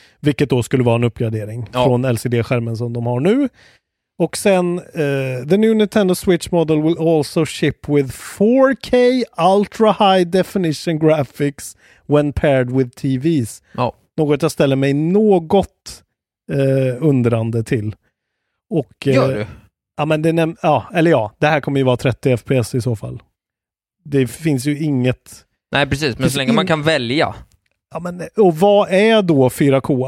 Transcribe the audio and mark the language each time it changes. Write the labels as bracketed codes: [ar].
[sv] Vilket då skulle vara en uppgradering från LCD-skärmen som de har nu. Och sen [en] the new Nintendo Switch model will also ship with 4K ultra high definition graphics when paired with TVs. [sv] Något jag ställer mig något undrande till. Och ja, men det det här kommer ju vara 30 fps i så fall. Det finns ju inget... Nej, precis. Men så länge man kan välja. Ja, men, och vad är då 4K?